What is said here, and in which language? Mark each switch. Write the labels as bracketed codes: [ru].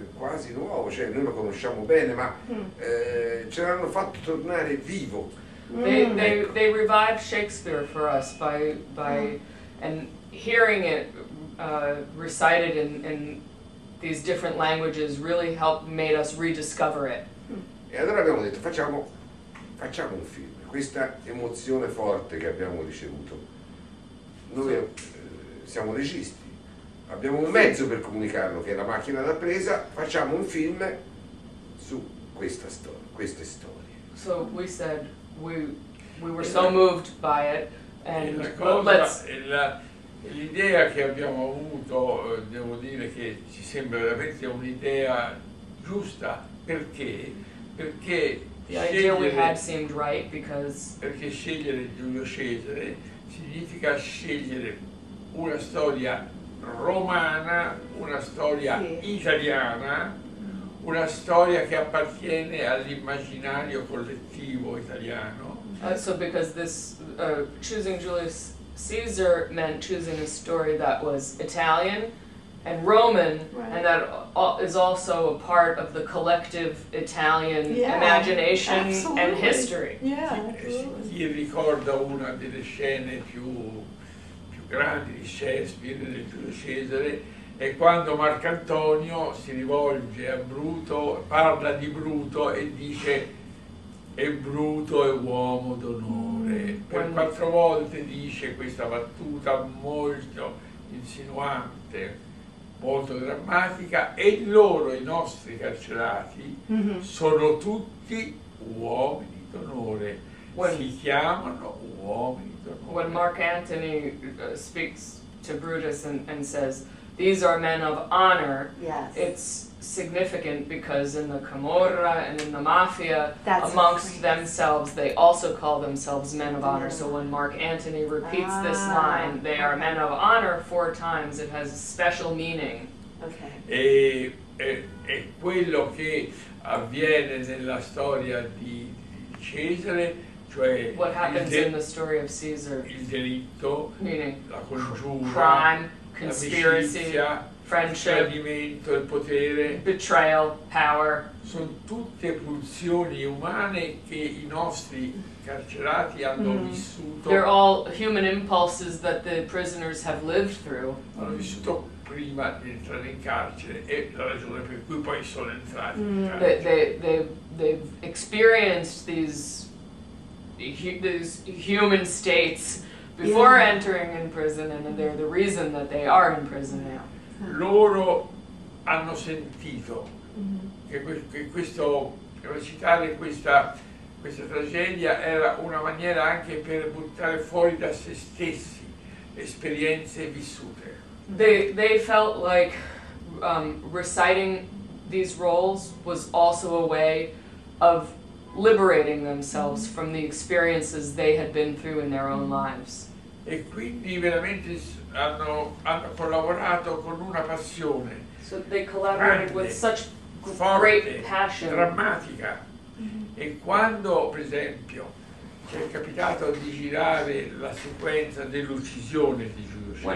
[it] Quasi nuovo, cioè noi lo conosciamo bene, ma ce l'hanno fatto tornare vivo. [en] They revived Shakespeare for us by and hearing it recited in these different languages really helped made us rediscover it. [it] E allora abbiamo detto facciamo un film. Questa emozione forte che abbiamo ricevuto. Noi siamo registi, abbiamo un mezzo per comunicarlo che è la macchina da presa, facciamo un film su questa storia, queste storie. [en] So we said we were so moved by it and [it] la cosa, [en] let's [it] l'idea che abbiamo avuto, devo dire che ci sembra veramente un'idea giusta. Perché? Perché [en] the idea we had seemed right because [it] perché scegliere Giulio Cesare significa scegliere una storia romana, una storia italiana, una storia che appartiene all'immaginario collettivo italiano. [en] So because this choosing Julius Caesar meant choosing a story that was Italian and Roman, right. And that is also a part of the collective Italian imagination absolutely. And history. Yeah, [it] chi ricorda una delle scene più grandi di Shakespeare, del Giulio Cesare, è quando Marcantonio si rivolge a Bruto, parla di Bruto e dice è Bruto è uomo d'onore. Per quattro volte dice questa battuta molto insinuante, molto drammatica, e loro, i nostri carcerati, sono tutti uomini d'onore. Si chiamano uomini d'onore. [en] When Mark Antony speaks to Brutus and says, these are men of honor, yes. It's significant because in the Camorra and in the Mafia, that's amongst themselves, they also call themselves men of honor. So when Mark Antony repeats this line, they are men of honor four times, it has a special meaning. Okay. [it] E quello che avviene nella storia di Cesare, cioè [en] what happens in the story of Caesar, [it] il delitto, [en] meaning [it] la congiura, [en] crime, conspiracy, friendship, [it] tradimento, il potere, [en] betrayal, power. [it] Sono tutte pulsioni umane che i nostri carcerati hanno vissuto. [en] They're all human impulses that the prisoners have lived through. [it] Hanno vissuto prima di entrare in carcere e la ragione per cui poi sono entrati in carcere. [en] They've experienced these human states before entering in prison, and they're the reason that they are in prison now. [it] Loro hanno sentito che questo recitare questa tragedia era una maniera anche per buttare fuori da se stessi esperienze vissute. [en] They felt like reciting these roles was also a way of liberating themselves from the experiences they had been through in their own lives. [it] E quindi veramente hanno collaborato con una passione. [en] So they collaborated [it] grande, [en] with such [it] forte, [en] great passion. [it] Drammatica. E quando, per esempio, ci è capitato di girare la sequenza dell'uccisione di Giulio Cesare.